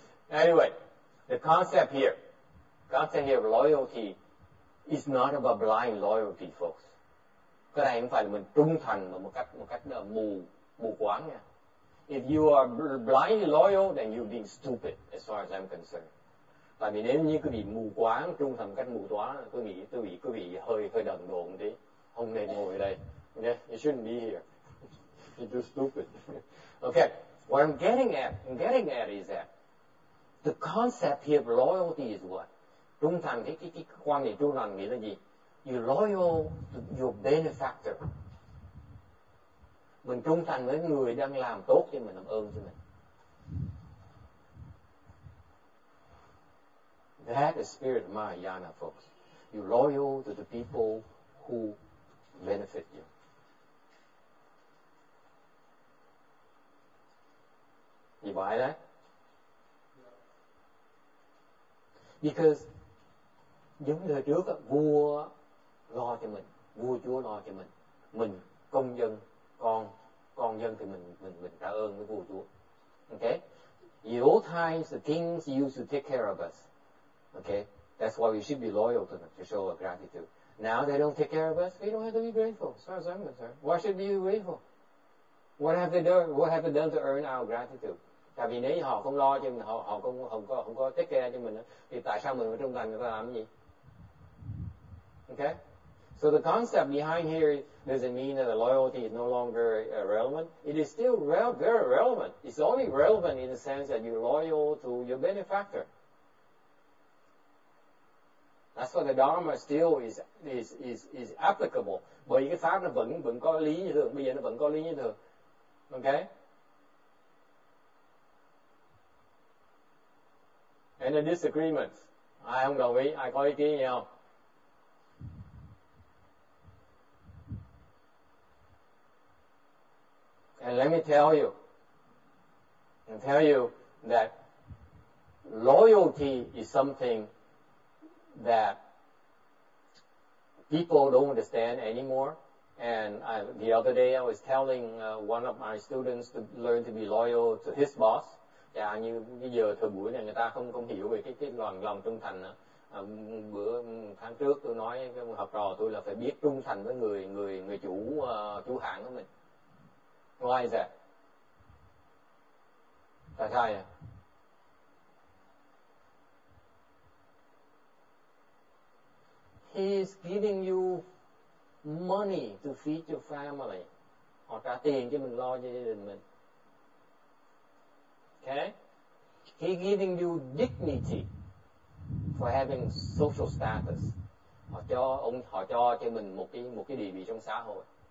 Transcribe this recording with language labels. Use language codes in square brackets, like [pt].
[en] Anyway, the concept here of loyalty is not about blind loyalty, folks. [vi] Cái này không phải là mình trung thành mà một cách mù quáng nha. [en] If you are blindly loyal, then you've been stupid, as far as I'm concerned. [vi] Tại vì nếu như quý vị mù quáng, trung thành một cách mù quáng, quý vị hơi đần độn đi. Không nên ngồi đây. [en] Okay? You shouldn't be here. You're too stupid. Okay. What I'm getting at is that the concept here of loyalty is what? [vi] Trung thành, cái quan niệm trung thành nghĩa là gì? [en] You're loyal to your benefactor. [vi] Mình trung thành với người đang làm tốt cho mình, làm ơn cho mình. [en] That is spirit of Mahayana, folks. You're loyal to the people who benefit you. You buy that? [vi] Because những đời trước vua lo cho mình, vua chúa lo cho mình công dân, con dân thì mình tạ ơn với vua chúa. [en] Okay? In old times, the kings used to take care of us. Okay? That's why we should be loyal to them, to show our gratitude. Now they don't take care of us, we don't have to be grateful, as far as I'm concerned. Why should we be grateful? What have they done to earn our gratitude? [vi] Tại vì nếu họ không lo cho mình, họ không có take care cho mình, thì tại sao mình phải trung thành, người ta làm cái gì? [en] Okay? So the concept behind here doesn't mean that the loyalty is no longer relevant. It is still very relevant. It's only relevant in the sense that you're loyal to your benefactor. That's why the Dharma still is applicable. [vi] Bởi cái pháp nó vẫn có lý như thường. Bây giờ nó vẫn có lý như thường. [en] Okay? And the disagreements. [vi] Ai không đồng ý? Ai có ý kiến gì không? [en] And let me tell you that loyalty is something that people don't understand anymore. And the other day I was telling one of my students to learn to be loyal to his boss. [vi] Chà, như bây giờ thời buổi này người ta không hiểu về cái lòng trung thành nữa. Bữa tháng trước tôi nói với học trò tôi là phải biết trung thành với người chủ chủ hãng của mình. [en] Why is that? [vi] Tại sao vậy? [en] He is giving you money to feed your family. [vi] Họ trả tiền cho mình lo cho gia đình mình. [en] Okay? He is giving you dignity for having social status. [vi] Họ cho mình một cái địa vị trong xã hội.